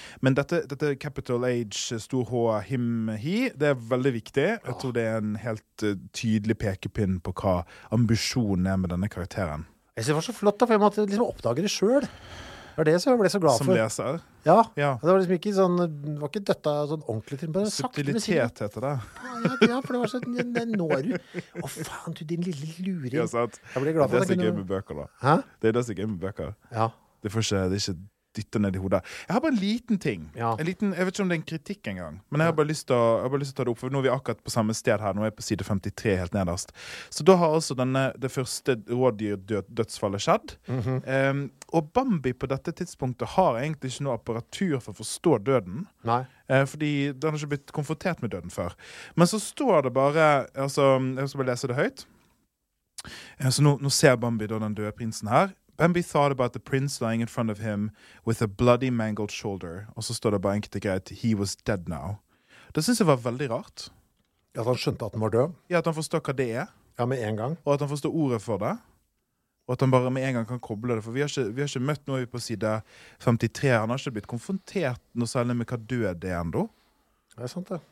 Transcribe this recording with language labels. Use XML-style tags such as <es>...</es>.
<no>Men dette</no> <en>Capital H,</en> <no>stor H, him, he, det veldig viktig. Jeg tror det en helt tydelig pekepinn på hva ambisjonen med denne karakteren. Jeg synes det var så flott da, for jeg måtte liksom oppdage det selv. Var det som jeg ble så glad som for? Som leser. Ja. Ja, det var liksom ikke sånn, det var ikke døttet sånn ordentlig til, men det var sagt musikken. Subtilitet heter det. Ja, ja, for det var sånn, det når du. Å faen, du, din lille luring. Ja, sant. Jeg ble glad for det. Det er så gøy med bøker da. Hæ? Det er så gøy med bøker. Ja. Det får ikke, det er ikke dytter ned I hodet. Jeg har bare en liten ting. Ja. En liten, jeg vet ikke om det en kritikk en gang. Men jeg har bare lyst til å, jeg har bare lyst til å ta det opp, for nå vi akkurat på samme sted her. Nå på side 53 helt nederst. Så da har altså denne, det første rådyrdødsfallet skjedd. Mm-hmm. Og Bambi på dette tidspunktet har egentlig ikke noe apparatur for å forstå døden. Nei. Fordi den har ikke blitt konfrontert med døden før. Men så står det bare, altså, jeg skal bare lese det høyt. Så nå ser Bambi da den døde prinsen her.</no> <en>Bambi thought about the prince lying in front of him with a bloody mangled shoulder.</en> <no>Og så står det bare enkelt og greit,</no> <en>he was dead now.</en> <no>Det synes jeg var veldig rart. Ja, at han skjønte at han var død. Ja, at han forstår hva det er. Ja, med en gang. Og at han forstår ordet for det. Og at han bare med en gang kan koble det. For vi har ikke møtt noe på side 53. Han har ikke blitt konfrontert noe særlig med hva død det er enda. Det er sant det.</no>